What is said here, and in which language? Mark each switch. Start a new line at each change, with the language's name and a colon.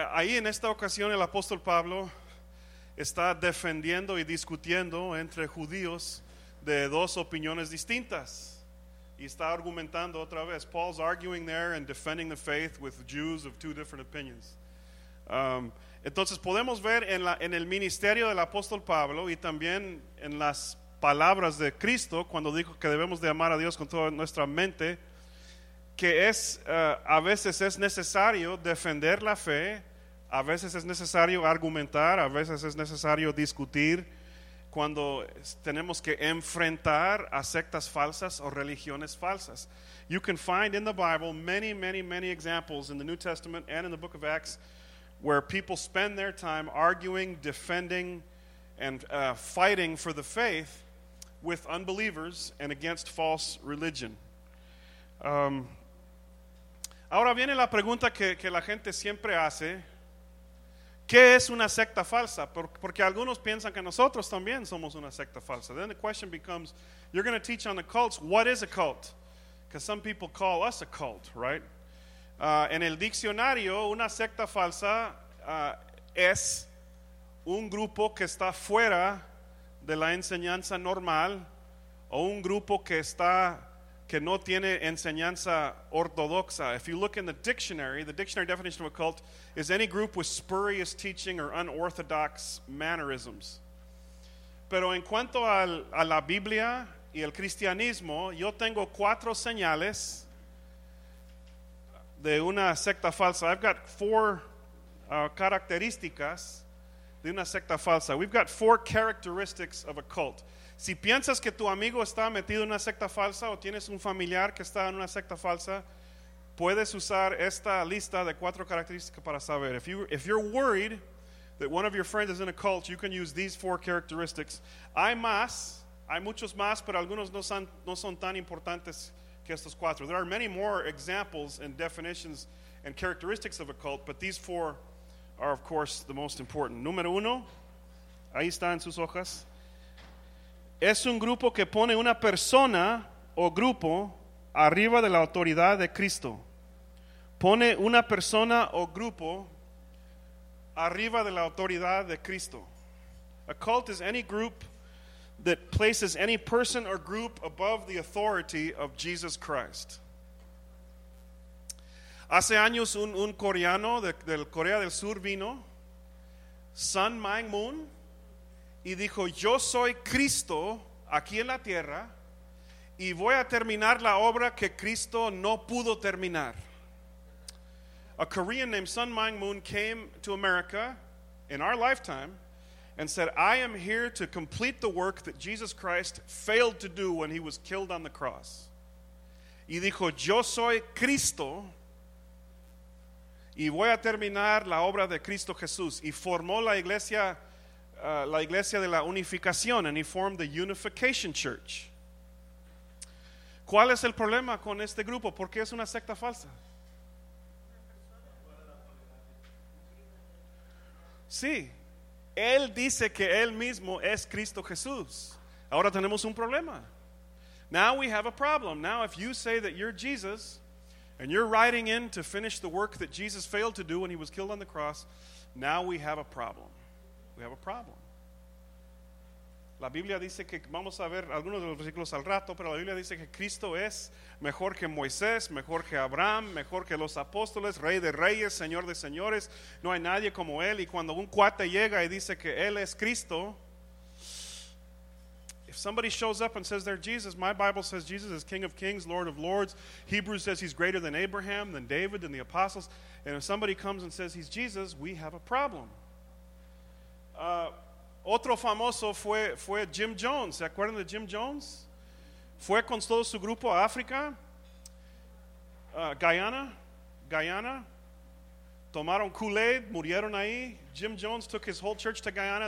Spanish: Ahí en esta ocasión el apóstol Pablo está defendiendo y discutiendo entre judíos de dos opiniones distintas. Y está argumentando otra vez.
English: Paul's arguing there and defending the faith with Jews of two different opinions.
Spanish: Entonces podemos ver en el ministerio del apóstol Pablo y también en las palabras de Cristo cuando dijo que debemos de amar a Dios con toda nuestra mente, que es a veces es necesario defender la fe, a veces es necesario argumentar, a veces es necesario discutir cuando tenemos que enfrentar a sectas falsas o religiones falsas.
English: You can find in the Bible many, many, many examples in the New Testament and in the book of Acts where people spend their time arguing, defending, and fighting for the faith with unbelievers and against false religion.
Spanish: Ahora viene la pregunta que la gente siempre hace. ¿Qué es una secta falsa? Porque algunos piensan que nosotros también somos una secta falsa.
English: Then the question becomes, you're going to teach on the cults, what is a cult? Because some people call us a cult, right?
Spanish: En el diccionario, una secta falsa es un grupo que está fuera de la enseñanza normal o un grupo que no tiene enseñanza ortodoxa.
English: If you look in the dictionary definition of a cult is any group with spurious teaching or unorthodox mannerisms.
Spanish: Pero en cuanto a la Biblia y el cristianismo, yo tengo 4 señales de una secta falsa.
English: I've got 4
Spanish: características de una secta falsa.
English: We've got 4 characteristics of a cult.
Spanish: Si piensas que tu amigo está metido en una secta falsa o tienes un familiar que está en una secta falsa, puedes usar esta lista de 4 características para saber.
English: If you're worried that one of your friends is in a cult, you can use these 4 characteristics.
Spanish: Hay muchos más, pero algunos no son tan importantes que estos 4.
English: There are many more examples and definitions and characteristics of a cult, but these 4 are, of course, the most important.
Spanish: Número 1, ahí está en sus hojas. Es un grupo que pone una persona o grupo arriba de la autoridad de Cristo. Pone una persona o grupo arriba de la autoridad de Cristo.
English: A cult is any group that places any person or group above the authority of Jesus Christ.
Spanish: Hace años un coreano del Corea del Sur vino, Sun Myung Moon, y dijo, yo soy Cristo aquí en la tierra y voy a terminar la obra que Cristo no pudo terminar.
English: A Korean named Sun Myung-moon came to America in our lifetime and said, I am here to complete the work that Jesus Christ failed to do when he was killed on the cross.
Spanish: Y dijo, yo soy Cristo y voy a terminar la obra de Cristo Jesús. Y formó la iglesia de la unificación,
English: and he formed the Unification Church.
Spanish: ¿Cuál es el problema con este grupo? ¿Por qué es una secta falsa? Sí, él dice que él mismo es Cristo Jesús. Ahora tenemos un problema.
English: Now we have a problem. Now if you say that you're Jesus and you're riding in to finish the work that Jesus failed to do when he was killed on the cross, now we have a problem. We have a problem.
Spanish: La Biblia dice que, vamos a ver algunos de los versículos al rato, pero la Biblia dice que Cristo es mejor que Moisés, mejor que Abraham, mejor que los apóstoles, Rey de Reyes, Señor de Señores. No hay nadie como Él. Y cuando un cuate llega y dice que Él es Cristo,
English: if somebody shows up and says they're Jesus, my Bible says Jesus is King of Kings, Lord of Lords. Hebrews says he's greater than Abraham, than David, than the apostles. And if somebody comes and says he's Jesus, we have a problem.
Spanish: Otro famoso fue Jim Jones. ¿Se acuerdan de Jim Jones? Fue con todo su grupo a África, Guyana. Tomaron Kool-Aid, murieron ahí.
English: Jim Jones took his whole church to Guyana.